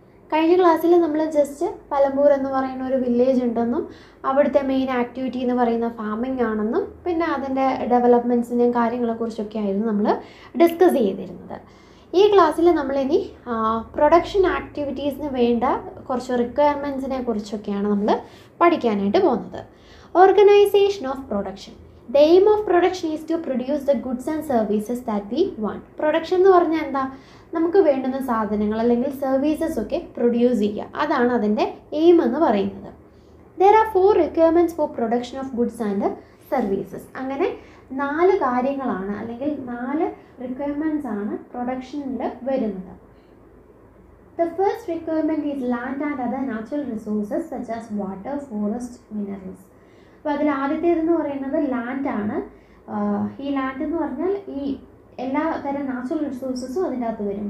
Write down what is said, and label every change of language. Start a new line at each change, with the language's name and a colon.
Malayalam: കഴിഞ്ഞ ക്ലാസ്സിൽ നമ്മൾ ജസ്റ്റ് പലമ്പൂർ എന്ന് പറയുന്ന ഒരു വില്ലേജ് ഉണ്ടെന്നും അവിടുത്തെ മെയിൻ ആക്ടിവിറ്റി എന്ന് പറയുന്ന ഫാമിംഗ് ആണെന്നും പിന്നെ അതിൻ്റെ ഡെവലപ്മെൻറ്റ്സിനെയും കാര്യങ്ങളെക്കുറിച്ചൊക്കെ ആയിരുന്നു നമ്മൾ ഡിസ്കസ് ചെയ്തിരുന്നത്. ഈ ക്ലാസ്സിൽ നമ്മളിനി പ്രൊഡക്ഷൻ ആക്ടിവിറ്റീസിന് വേണ്ട കുറച്ച് റിക്വയർമെൻറ്റ്സിനെ കുറിച്ചൊക്കെയാണ് നമ്മൾ പഠിക്കാനായിട്ട് പോകുന്നത്.
English: Organisation of production. The aim of production is to produce the goods and services that we want.
Malayalam: Production എന്ന് പറഞ്ഞാൽ എന്താ, നമുക്ക് വേണ്ടുന്ന സാധനങ്ങൾ അല്ലെങ്കിൽ സർവീസസ് ഒക്കെ പ്രൊഡ്യൂസ് ചെയ്യുക, അതാണ് അതിൻ്റെ എയിം എന്ന് പറയുന്നത്.
English: There are four requirements for production of goods and services.
Malayalam: അങ്ങനെ നാല് കാര്യങ്ങളാണ് അല്ലെങ്കിൽ നാല് റിക്വയർമെൻറ്റ്സ് ആണ് പ്രൊഡക്ഷനിൽ വരുന്നത്.
English: The first requirement is land and other natural resources such as water, forest, minerals.
Malayalam: അപ്പോൾ അതിൽ ആദ്യത്തേതെന്ന് പറയുന്നത് ലാൻഡാണ്. ഈ ലാൻഡ് എന്ന് പറഞ്ഞാൽ ഈ എല്ലാ തരം നാച്ചുറൽ റിസോഴ്സസും അതിൻ്റെ അകത്ത് വരും.